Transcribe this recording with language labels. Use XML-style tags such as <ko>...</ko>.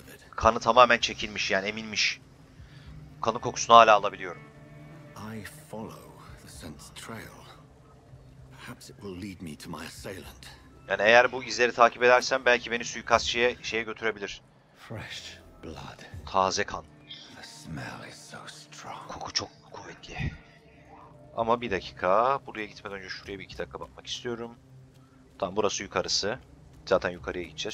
<tr>Kanı tamamen çekilmiş yani, eminmiş. Kanı kokusunu hala alabiliyorum.</tr> <en>I follow the scent's trail. Perhaps it will lead me to my assailant.</en> <tr>Yani eğer bu izleri takip edersem belki beni suikastçıya şeye götürebilir.</tr> <en>Fresh blood.</en> <tr>Taze kan.</tr> <en>The smell is so strong.</en> <tr>Koku çok kuvvetli. Ama bir dakika, buraya gitmeden önce şuraya bir iki dakika bakmak istiyorum. Tamam, burası yukarısı. Zaten yukarıya gideceğiz.</tr>